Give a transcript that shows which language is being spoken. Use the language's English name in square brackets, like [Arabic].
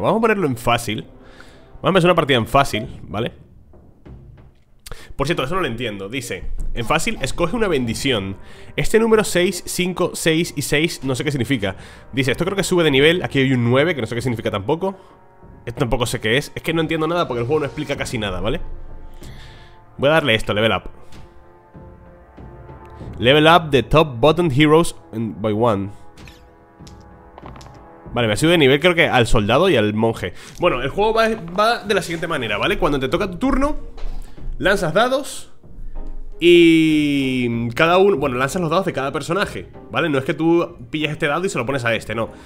[Spanish] Vamos a ponerlo en fácil. Vamos a hacer una partida en fácil, ¿vale? Por cierto, eso no lo entiendo. Dice, en fácil, escoge una bendición. Este número 6, 5, 6 y 6, no sé qué significa. Dice, esto creo que sube de nivel. Aquí hay un 9, que no sé qué significa tampoco. Esto tampoco sé qué es. Es que no entiendo nada porque el juego no explica casi nada, ¿vale? Voy a darle esto, [English] level up. Level up the top button heroes by one. [Spanish] Vale, me ha subido de nivel creo que al soldado y al monje. Bueno, el juego va de la siguiente manera, ¿vale? Cuando te toca tu turno, lanzas dados y cada uno... Bueno, lanzas los dados de cada personaje, ¿vale? No es que tú pillas este dado y se lo pones a este, no.